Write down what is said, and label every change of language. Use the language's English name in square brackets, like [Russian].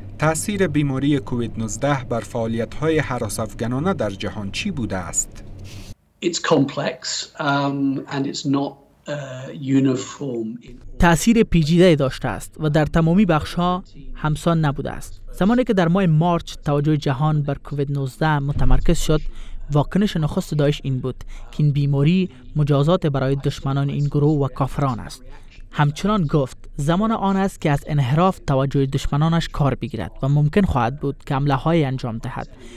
[Persian] تأثیر بیماری کووید 19 بر فعالیت های حراس افغانانه در جهان چی بوده است؟ [English] It's complex and it's not uniform. [Persian] تأثیر پیچیده داشته است و در تمامی بخش ها همسان نبوده است. زمانی که در ماه مارچ توجه جهان بر کووید 19 متمرکز شد، واکنش نخست داعش این بود که این بیماری مجازات برای دشمنان این گروه و کافران است. همچنان گفت زمان آن است که از انحراف توجه دشمنانش کار بگیرد و ممکن خواهد بود که حمله های انجام دهد.